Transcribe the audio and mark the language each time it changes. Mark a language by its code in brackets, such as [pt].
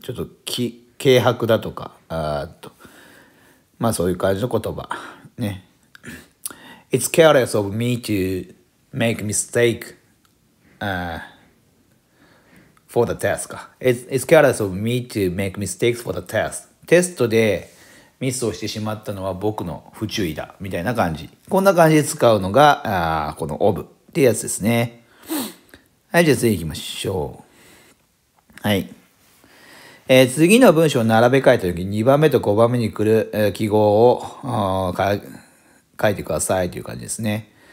[ja] ちょっと、軽薄だとか、まあそういう感じの言葉。ね。 [en] It's careless of me to make mistake, for the test か。 It's careless of me to make mistakes for the test. [ja] テストでミスをしてしまったのは僕の不注意だ。みたいな感じ。こんな感じで使うのが、この of。ってやつですね。はい、じゃあ次行きましょう。はい。次の文章を並べ替えたとき、2番目と5番目に来る、記号を書いてくださいという感じですね。